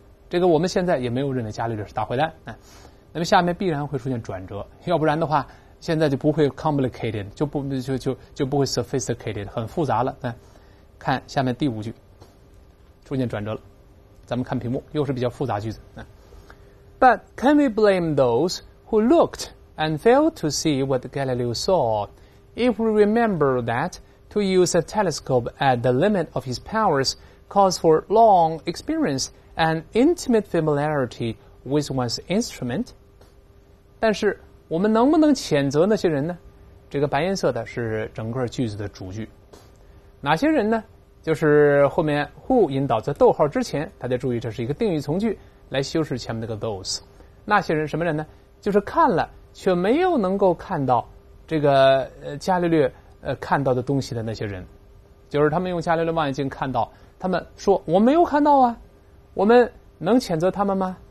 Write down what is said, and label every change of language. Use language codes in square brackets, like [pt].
[zh] 这个我们现在也没有认为伽利略是大坏蛋。那么下面必然会出现转折，要不然的话现在就不会 complicated， 就不会 sophisticated， 很复杂了。看下面第五句，出现转折了。咱们看屏幕，又是比较复杂句子。 [en] But can we blame those who looked and failed to see what Galileo saw? If we remember that to use a telescope at the limit of his powers calls for long experience and intimate familiarity with one's instrument， [zh] 但是我们能不能谴责那些人呢？这个白颜色的是整个句子的主句。哪些人呢？就是后面 who 引导在逗号之前，大家注意这是一个定语从句来修饰前面那个 those。那些人什么人呢？就是看了却没有能够看到这个伽利略看到的东西的那些人，就是他们用伽利略望远镜看到，他们说我没有看到啊，我们能谴责他们吗？